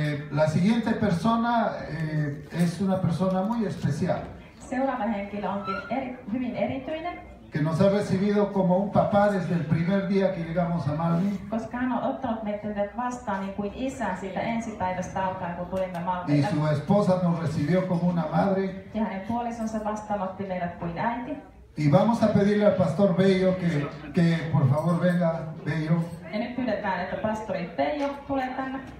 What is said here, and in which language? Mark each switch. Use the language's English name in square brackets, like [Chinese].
[Spanish] La siguiente persona es una persona muy especial. [Finnish] Seuraava henkilö onkin hyvin erityinen. [Spanish] Que nos ha recibido como un papá desde el primer día que llegamos a Malmi. [Finnish] Koska hän on ottanut meitä vastaan niin kuin isä siitä ensipäivästä alkaen, kun tulimme Malmille. [Spanish] Y su esposa nos recibió como una madre. [Finnish] Ja hänen puolisonsa vastaanotti meidät kuin äiti. [Spanish] Y vamos a pedirle al pastor Bello que por favor venga, Bello. [Finnish] Ja nyt pyydetään, että pastori Bello tulee tänne.